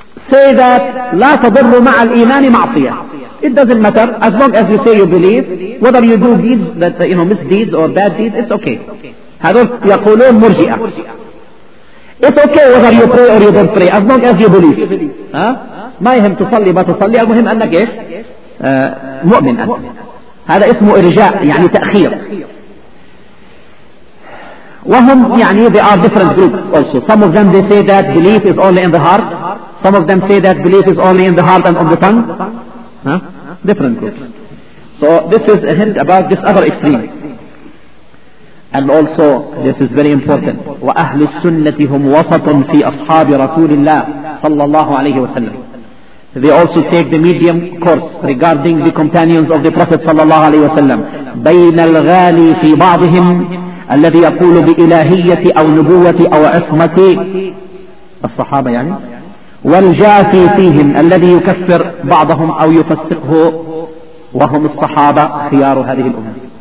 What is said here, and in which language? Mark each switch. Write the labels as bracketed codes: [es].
[en] say that [ar] لا تضر مع الإيمان معصية. [en] It doesn't matter as long as you say you believe. Whether you do deeds that you know misdeeds or bad deeds, it's okay. [ar] هذا يقولون مرجئة. [en] It's okay whether you pray or you don't pray as long as you believe. [ar] ما يهم تصلي ما تصلي، المهم أنك إيش مؤمن أنت. هذا اسمه إرجاء يعني تأخير. وهم يعني [en] they are different groups also. Some of them they say that belief is only in the heart. Some of them say that belief is only in the heart and on the tongue. Different groups. So this is a hint about this other extreme. And also this is very important. [ar] وأهل السنة هم وسط في أصحاب رسول الله صلى الله عليه وسلم. [en] They also take the medium course regarding the companions of the Prophet صلى الله عليه وسلم. [ar] بين الغالي في بعضهم الذي يقول بإلهية أو نبوة أو عصمة الصحابة يعني، والجافي فيهم الذي يكفر بعضهم أو يفسقه، وهم الصحابة خيار هذه الأمة.